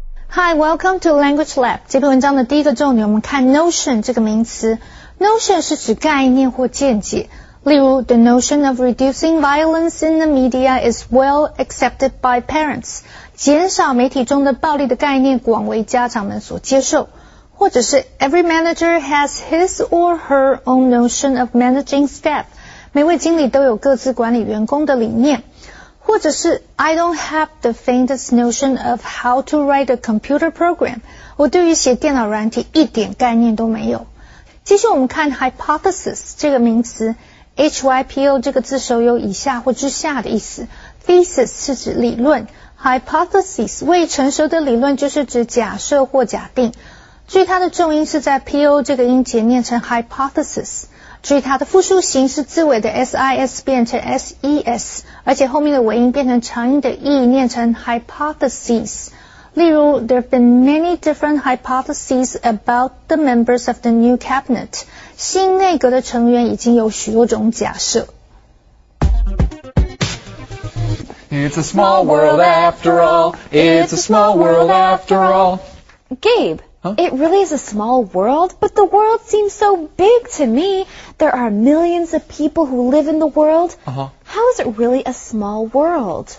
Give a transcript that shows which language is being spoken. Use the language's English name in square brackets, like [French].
[English] Hi, welcome to Language Lab. [Chinese] 这篇文章的第一个重点，我们看 notion 这个名词。 notion 是指概念或见解。 [English] 例如 ,the notion of reducing violence in the media is well accepted by parents. [Chinese] 减少媒体中的暴力的概念广为家长们所接受。 [English] 或者是 ,every manager has his or her own notion of managing staff. [Chinese] 每位经理都有各自管理员工的理念。 [English] 或者是 I don't have the faintest notion of how to write a computer program. [Chinese] 我对于写电脑软体一点概念都没有。继续我们看 hypothesis 这个名词 ,HYPO 这个字首有以下或之下的意思。 thesis 是指理论 ,hypothesis 未成熟的理论就是指假设或假定。注意它的重音是在 PO 这个音节念成 hypothesis。注意它的复数形是字尾的 SIS 变成 SES, 而且后面的尾音变成长音的 E 念成 hypothesis。 [English] 例如 ,there have been many different hypotheses about the members of the new cabinet. [Chinese] 新内阁的成员已经有许多种假设。 [English] It's a small world after all, it's a small world after all. Gabe! Huh? It really is a small world, but the world seems so big to me. There are millions of people who live in the world. Uh-huh. How is it really a small world?